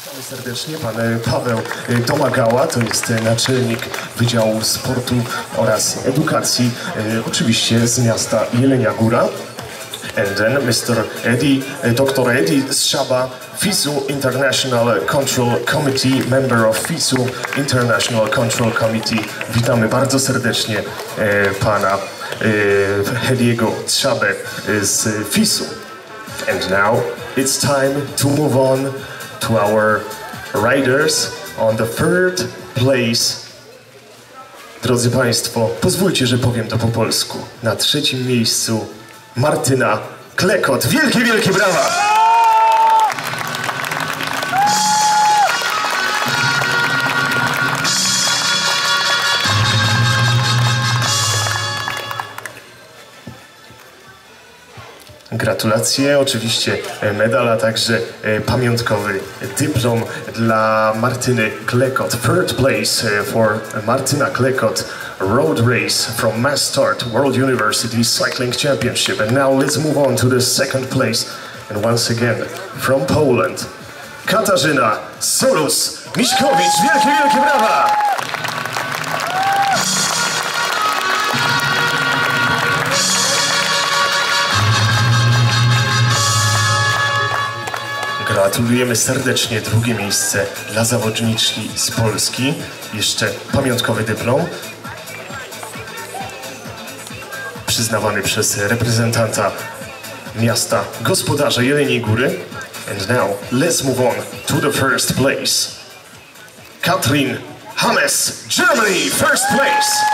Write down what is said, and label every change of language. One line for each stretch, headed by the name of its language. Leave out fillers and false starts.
Polish: Serdecznie pan Paweł Domagała, to jest naczelnik Wydziału Sportu oraz Edukacji, oczywiście z miasta Jelenia Góra.
English: And then Mr. Eddie, Dr. Eddie Strzaba, FISU International Control Committee, member of FISU International Control Committee.
Polish: Witamy bardzo serdecznie pana Ediego Strzabę z FISU.
English: And now it's time to move on to our riders on the third place.
Polish: Drodzy Państwo, pozwólcie, że powiem to po polsku. Na trzecim miejscu Martyna Klekot. Wielkie, wielkie brawa! Gratulacje, oczywiście medal, a także pamiątkowy dyplom dla Martyny Klekot.
English: Third place for Martyna Klekot, road race from Mass Start World University Cycling Championship. And now let's move on to the second place. And once again, from Poland, Katarzyna Solus-Miśkowicz. Wielkie, wielkie brawa! Gratulujemy serdecznie, drugie miejsce dla zawodniczki z Polski.
Polish: Jeszcze pamiątkowy dyplom przyznawany przez reprezentanta miasta gospodarza Jeleniej Góry.
English: And now let's move on to the first place. Katrin Hames, Germany, first place!